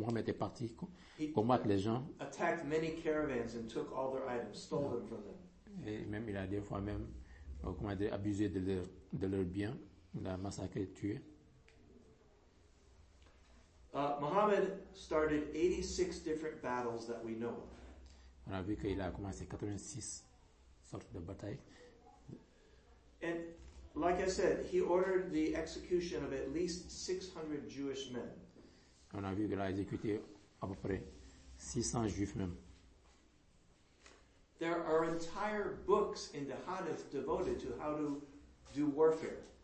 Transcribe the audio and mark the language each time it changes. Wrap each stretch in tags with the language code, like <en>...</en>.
<fr>On a vu plusieurs fois où Mohammed est parti combattre les gens.</fr> <en>Attacked many caravans and took all their items, stole them from them.</en> <fr>Et même il a des fois même abusé de leur bien, l'a massacré, tué.</fr> <en>Muhammad started 86 different battles that we know of.</en> <fr>On a vu qu'il a commencé 86 sortes de batailles.</fr> <en>And like I said, he ordered the execution of at least 600 Jewish men.</en> <fr>On a vu qu'il a exécuté à peu près 600 juifs même.</fr> <en>There are entire books in the Hadith devoted to how to do warfare.</en>